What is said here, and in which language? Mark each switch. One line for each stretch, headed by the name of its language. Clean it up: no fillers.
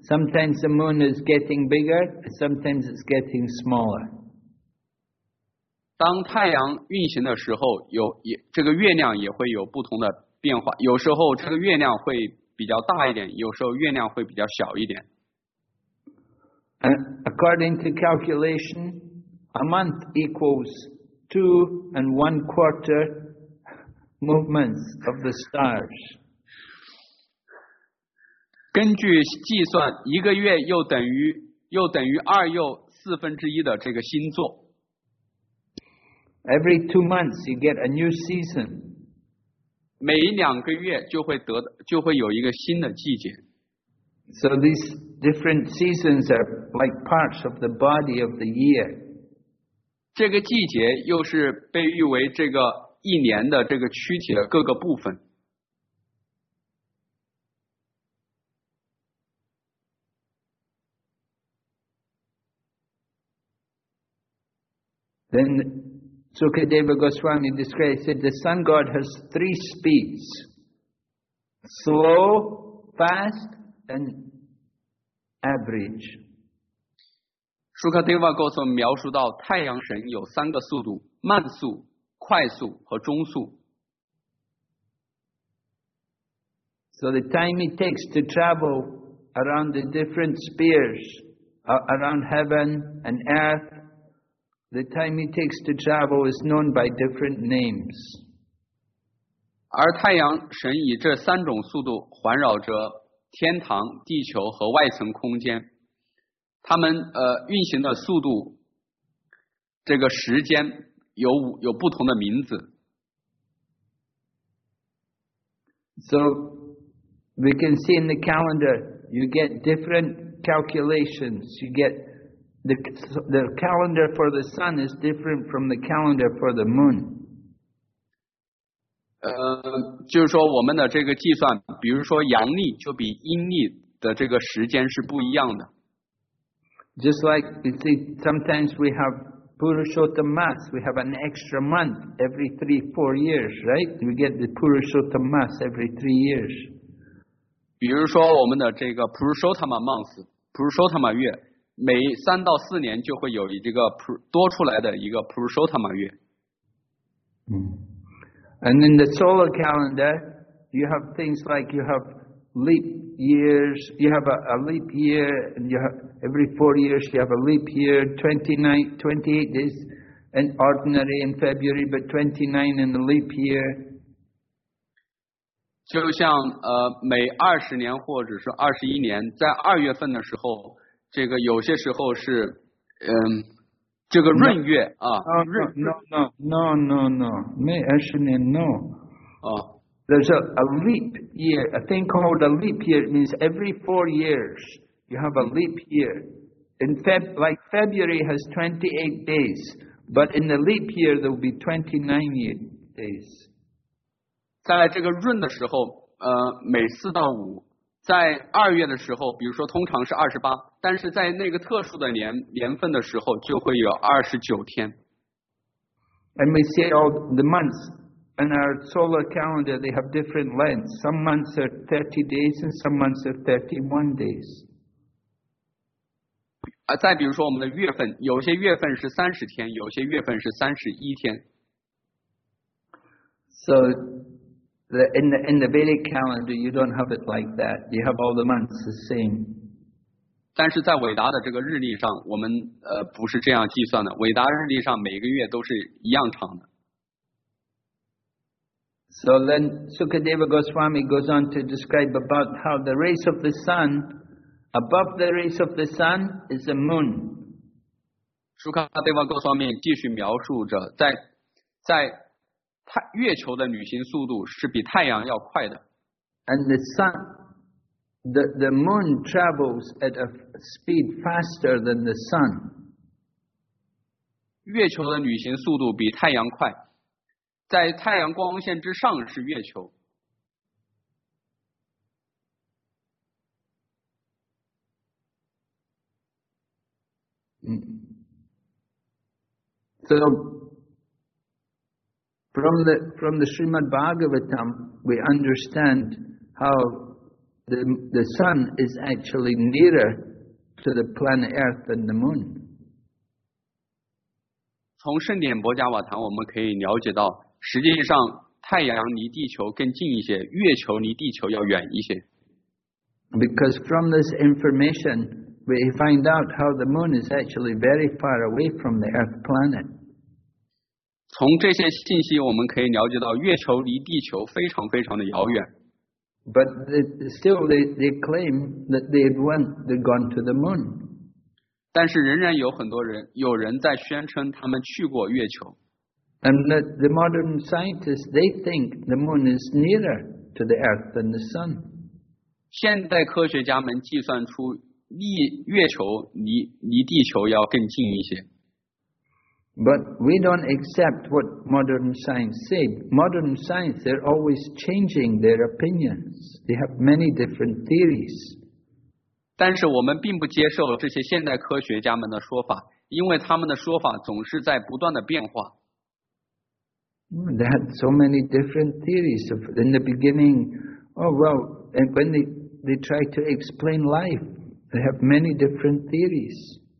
English: Sometimes the moon is getting bigger, sometimes it's getting smaller.
Chinese: 当太阳运行的时候，这个月亮也会有不同的变化。有时候这个月亮会比较大一点，有时候月亮会比较小一点。
English: According to calculation, a month equals 2 1/4 movements of the stars.
Chinese: 根据计算，一个月又等于二又四分之一的这个星座。
English: Every 2 months, you get a new season.
Chinese: 每两个月就会有一个新的季节。
English: So these different seasons are like parts of the body of the year.
Chinese: 这个季节又是被誉为这个一年的这个躯体的各个部分。
English: Then. Sukadeva Goswami described, he said, the sun god has 3 speeds, slow, fast, and average.
Chinese: Sukadeva Goswami 描述到太阳神有三个速度，慢速、快速和中速。
English: So the time it takes to travel around the different spheres, around heaven and earth,The time it takes to travel is known by different names.
Chinese: 而太阳神以这三种速度环绕着天堂、地球和外层空间，它们运行的速度，这个时间有不同的名字。
English: So we can see in the calendar, you get different calculations. You get. The calendar for the sun is different from the calendar for the moon.
Chinese: 就是说我们的这个计算，比如说阳历就比阴历的这个时间是不一样的。
English: Just like you see, sometimes we have Purushottam Mass, we have an extra month every 3-4 years, right? We get the Purushottam Mass every 3 years.
Chinese: 比如说我们的这个 Purushottam Month, Purushottam 月。每3-4年就会有这个多出来的一个 Purushottam 月。
English: And in the solar calendar, you have things like you have leap years, you have a leap year, and you have every 4 years you have a leap year, 28 days in ordinary in February, but 29 in the leap year.
Chinese: 就像每20年或者是21年，在2月份的时候。这个有些时候是这个闰月
English: No. There's a leap year, a thing called a leap year. It means every 4 years, you have a leap year. In February has 28 days, but in the leap year, there will be 29 days.
Chinese: 在这个闰的时候，每四到五，在二月的时候，比如说通常是28，但是在那个特殊的年份的时候，就会有29天。
English: And we see all the months in our solar calendar, they have different lengths. Some months are 30 days and some months are 31 days.
Chinese: 再比如说我们的月份，有些月份是30天，有些月份是31天。
English: So,In the Vedic calendar, you don't have it like that. You have all the months the same.
Chinese: 但是在伟达的这个日历上，我们不是这样计算的。伟达日历上每个月都是一样长的。
English: So then Sukadeva Goswami goes on to describe about how the rays of the sun, above the rays of the sun is the moon.
Chinese: Sukadeva Goswami 继续描述着在月球的旅行速度是比太阳要快的。
English: And the sun, the moon travels at a speed faster than the sun.
Chinese: 月球的旅行速度比太阳快，在太阳光线之上是月球。
English: So,From the Srimad Bhagavatam, we understand how the sun is actually nearer to the planet Earth than the moon.
Chinese: 从圣典博伽瓦谈我们可以了解到，实际上太阳离地球更近一些，月球离地球要远一些。
English: Because from this information, we find out how the moon is actually very far away from the Earth planet.
Chinese: 从这些信息我们可以了解到月球离地球非常非常的遥远。
English: But still they claim that they've gone to the moon.
Chinese: 但是仍然有很多人，有人在宣称他们去过月球。
English: And the modern scientists, they think the moon is nearer to the earth than the sun.
Chinese: 现代科学家们计算出月球离地球要更近一些。
English: But we don't accept what modern science said. Modern science, they're always changing their opinions. They have many different theories.
Chinese: 但是我们并不接受这些现代科学家们的说法，因为他们的说法总是在不断的变化。
English: They had so many different theories in the beginning. Oh, well, and when they try to explain life, they have many different theories.